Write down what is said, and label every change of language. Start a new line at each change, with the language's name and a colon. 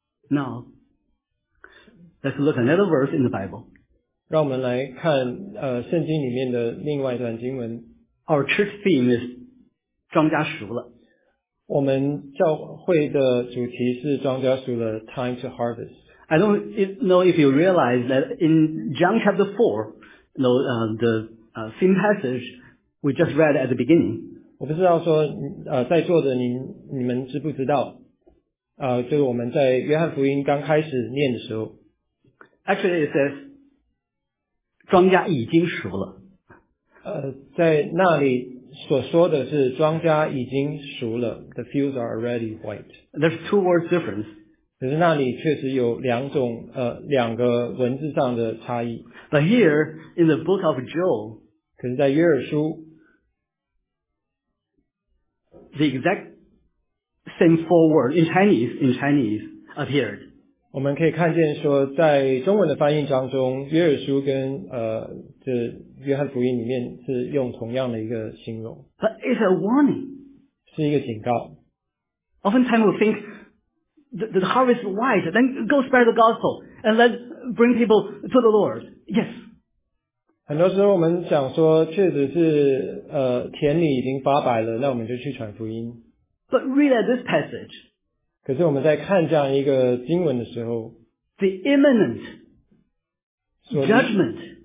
English: Now, let's look at another verse in the Bible.
Chinese: 让我们来看圣经里面的另外一段经文。
English: Our church theme is
Chinese: 庄稼熟了。我们教会的主题是庄稼熟了
English: time to harvest. I don't know if you realize that in John chapter 4, the theme passage we just read at the beginning.
Chinese: 我不知道说在座的你们知不知道就是我们在约翰福音刚开始念的时候。
English: Actually it says,
Chinese: 庄稼已经熟了。在那里所说的是庄稼已经熟了
English: The fields are already white. There's two words difference.
Chinese: 可是那里确实有两种两个文字上的差异。
English: But here, in the book of Joel,
Chinese: 可是在约珥书
English: the exact same four words in Chinese appeared.
Chinese: 我们可以看见说在中文的翻译当中约珥书跟约翰福音里面是用同样的一个形容
English: But it's a warning
Chinese: 是一个警告
English: Oftentimes we think the harvest is white then go spread the gospel and let bring people to the Lord Yes
Chinese: 很多时候我们想说确实是田里已经发白了那我们就去传福音
English: But read at this passage
Chinese: 可是我们在看这样一个经文的时候
English: The imminent judgment